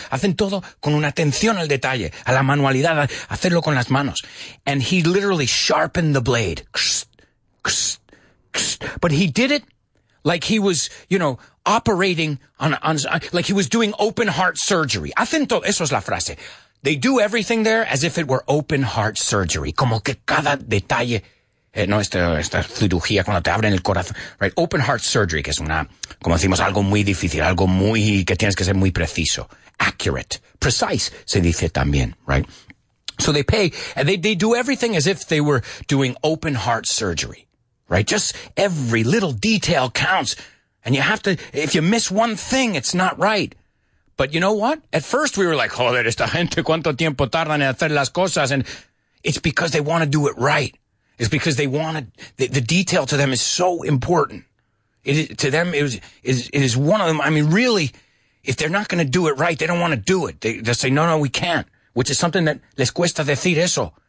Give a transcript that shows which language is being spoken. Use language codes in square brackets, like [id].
[es] Hacen todo con una atención al detalle, a la manualidad, a hacerlo con las manos. [en] And he literally sharpened the blade. But he did it like he was, you know, operating on, like he was doing open heart surgery. [es] Hacen todo. Eso es la frase. [en] They do everything there as if it were open heart surgery. [es] Como que cada detalle. No, esta cirugía cuando te abren el corazón, right? Open heart surgery, que es una, como decimos, algo muy difícil, algo muy, que tienes que ser muy preciso. [en] Accurate. Precise, [es] se dice también, [en] right? So they pay, and they do everything as if they were doing open heart surgery, right? Just every little detail counts. And you have to, if you miss one thing, it's not right. But you know what? At first we were like, [es] joder, esta gente, ¿cuánto tiempo tardan en hacer las cosas? [en] And it's because they want to do it right. It's because they wanted, the detail to them is so important. It is one of them. I mean, really, if they're not going to do it right, they don't want to do it. They say, no, we can't, which is something that [es] les cuesta decir eso.